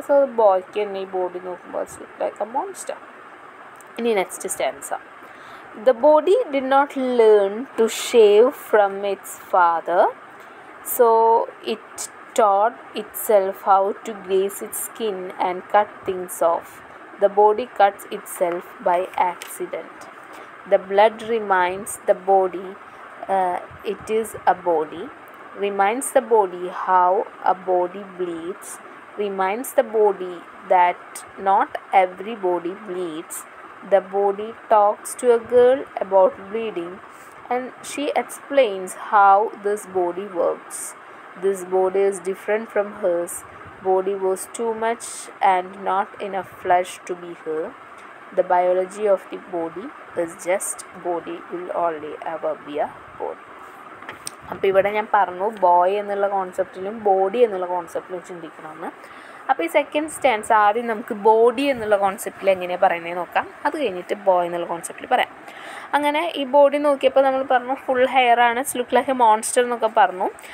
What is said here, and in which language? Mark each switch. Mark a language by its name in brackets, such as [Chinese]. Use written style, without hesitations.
[Malayalam] So ബോയ്ക്ക് തന്നെ ഈ body നോക്കുമ്പോൾ [English] Like a monster. ഇനി next stanza, the body did not learn to shave from its father, so it taught itself how to graze its skin and cut things off. The body cuts itself by accident. The blood reminds the body it is a body, reminds the body how a body bleeds, reminds the body that not every body bleeds. The body talks to a girl about bleeding and she explains how this body works. This body is different from hers. Body was too much and not enough flesh to be her. The biology of the body is just body will only ever be a body. [Malayalam] അപ്പോൾ ഇവിടെ ഞാൻ പറഞ്ഞു boy എന്നുള്ള കോൺസെപ്റ്റിലും body എന്നുള്ള കോൺസെപ്റ്റിലും ചിന്തിക്കണമെന്ന്. അപ്പോൾ ഈ second stance ആദ്യം നമുക്ക് ബോഡി എന്നുള്ള കോൺസെപ്റ്റിൽ എങ്ങനെയാണ് പറയുന്നത് നോക്കാം, അത് കഴിഞ്ഞിട്ട് ബോയ് എന്നുള്ള കോൺസെപ്റ്റിൽ പറയാം. അങ്ങനെ ഈ ബോഡി നോക്കിയപ്പോൾ നമ്മൾ പറഞ്ഞു ഫുൾ ഹെയർ ആണ്, [English] look like a monster [Malayalam] എന്നൊക്കെ പറഞ്ഞു.